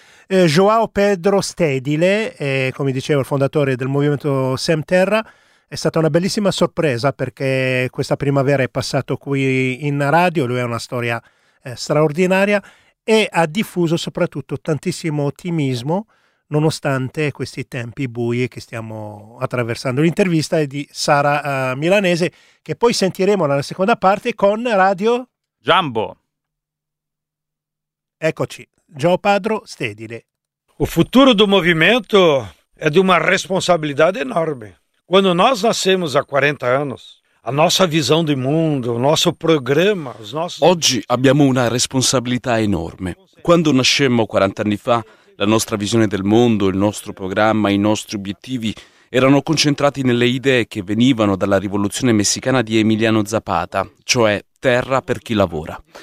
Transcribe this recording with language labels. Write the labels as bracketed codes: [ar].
[it] João Pedro Stedile, come dicevo, il fondatore del movimento Semterra, è stata una bellissima sorpresa perché questa primavera è passato qui in radio, lui ha una storia straordinaria e ha diffuso soprattutto tantissimo ottimismo nonostante questi tempi bui che stiamo attraversando. L'intervista è di Sara Milanese, che poi sentiremo nella seconda parte con Radio Jumbo. Eccoci, João Pedro Stedile. Il futuro del movimento è di una responsabilità enorme. [pt] Quando nós nascemos há 40 anos, a nossa visão do mundo, o nosso programa, os nossos... [it] Oggi abbiamo una responsabilità enorme. Quando nascemmo 40 anni fa, la nostra visione del mondo, il nostro programma, i nostri obiettivi erano concentrati nelle idee che venivano dalla rivoluzione messicana di Emiliano Zapata, cioè terra per chi lavora.